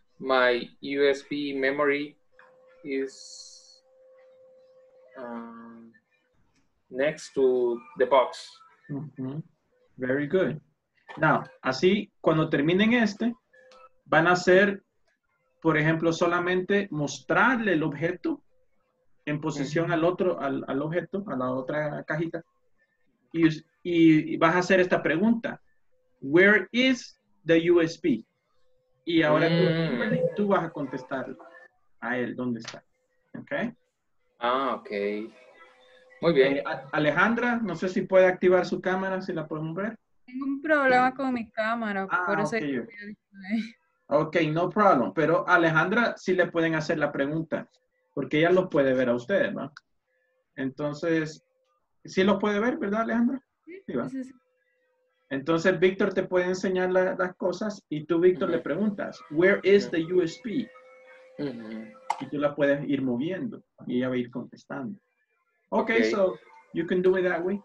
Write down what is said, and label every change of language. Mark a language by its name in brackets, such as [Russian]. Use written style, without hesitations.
[English] My USB memory is next to the box. Very good. [Spanish] Now, así, cuando terminen este, van a hacer, por ejemplo, solamente mostrarle el objeto en posición al otro, al objeto, a la otra cajita. Y vas a hacer esta pregunta. [English] Where is the USB? [Spanish] Y ahora tú vas a contestar a él dónde está. ¿Ok? Ah, ok. Muy bien. Alejandra, no sé si puede activar su cámara, si la podemos ver. Tengo un problema con mi cámara. Por eso [English] okay, no problem. [Spanish] Pero Alejandra sí le pueden hacer la pregunta. Porque ella los puede ver a ustedes, ¿no? Entonces, sí los puede ver, ¿verdad, Alejandra? Sí, sí, sí. Entonces, Víctor te puede enseñar las cosas y tú, Víctor, le preguntas, [English] where is the USB? [Spanish] Y tú la puedes ir moviendo y ella va a ir contestando. [English] Okay, so you can do it that way.